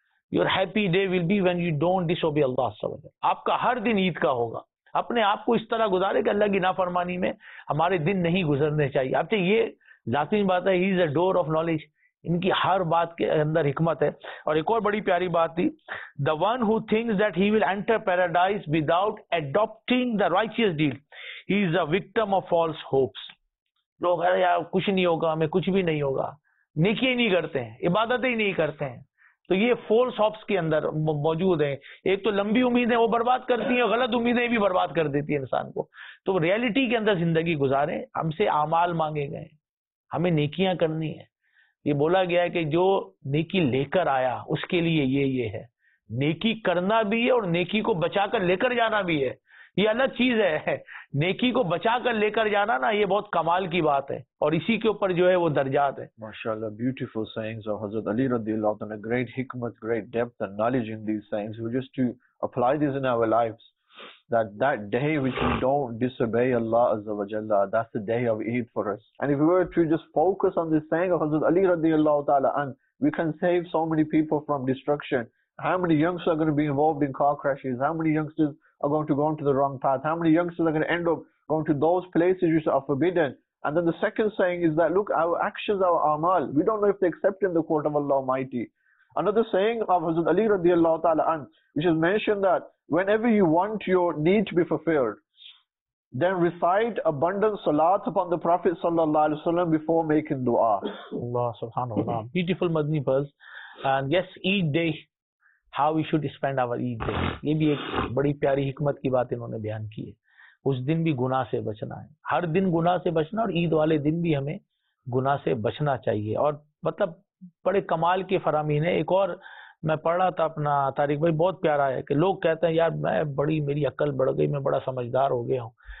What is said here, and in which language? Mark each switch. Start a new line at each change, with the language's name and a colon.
English: Your happy day will be when you don't disobey Allah Azzawajal.
Urdu: Aapka har din Eid ka hoga. اپنے آپ کو اس طرح گزارے کہ اللہ کی نافرمانی میں ہمارے دن نہیں گزرنے چاہیے. آپ سے یہ لازمی بات ہے,
English: he is a door of knowledge,
Urdu: ان کی ہر بات کے اندر حکمت ہے. اور ایک اور بڑی پیاری بات تھی,
English: The one who thinks that he will enter paradise without adapting the righteous deed he is a victim of false hopes.
Urdu: لوگ ارے یار کچھ نہیں ہوگا, ہمیں کچھ بھی نہیں ہوگا, نیکی نہیں کرتے ہیں, عبادتیں ہی نہیں کرتے ہیں, تو یہ فالس ہوپس کے اندر موجود ہیں. ایک تو لمبی امیدیں وہ برباد کرتی ہیں, غلط امیدیں بھی برباد کر دیتی ہیں انسان کو. تو ریالٹی کے اندر زندگی گزاریں. ہم سے اعمال مانگے گئے ہیں, ہمیں نیکیاں کرنی ہیں. یہ بولا گیا ہے کہ جو نیکی لے کر آیا اس کے لیے یہ یہ ہے. نیکی کرنا بھی ہے اور نیکی کو بچا کر لے کر جانا بھی ہے, یہ الگ چیز ہے. نیکی کو بچا کر لے کر جانا نا, یہ بہت کمال کی بات ہے, اور اسی کے اوپر جو ہے وہ درجات ہے.
English: ماشاءاللہ, beautiful sayings of Hazrat Ali رضی اللہ عنہ, great hikmat, great depth and knowledge in these sayings. We just to apply this in our lives, that day which we don't disobey Allah Azza wa Jalla, that's the day of Eid for us. And if we were to just focus on this saying of Hazrat Ali رضی اللہ تعالی عنہ, we can save so many people from destruction. How many youngsters are going to be involved in car crashes? How many youngsters are going to go onto the wrong path? How many youngsters are going to end up going to those places which are forbidden? And then the second saying is that, look, our actions, our amal, we don't know if they accept in the court of Allah Almighty. Another saying of Hazrat Ali radiallahu ta'ala an, which is mentioned that whenever you want your need to be fulfilled, then recite abundant salat upon the Prophet sallallahu alayhi wa sallam before making dua. Allah subhanallah. Beautiful Madni pearls. And yes, Eid day. How we should spend our Eid day.
Urdu: یہ بھی ایک بڑی پیاری حکمت کی بات انہوں نے بیان کی ہے. اس دن بھی گناہ سے بچنا ہے, ہر دن گناہ سے بچنا, اور عید والے دن بھی ہمیں گناہ سے بچنا چاہیے. اور مطلب بڑے کمال کے فرامین ہیں. ایک اور میں پڑھ رہا تھا اپنا طارق بھائی, بہت پیارا ہے کہ لوگ کہتے ہیں یار میں بڑی میری عقل بڑھ گئی, میں بڑا سمجھدار ہو گیا ہوں.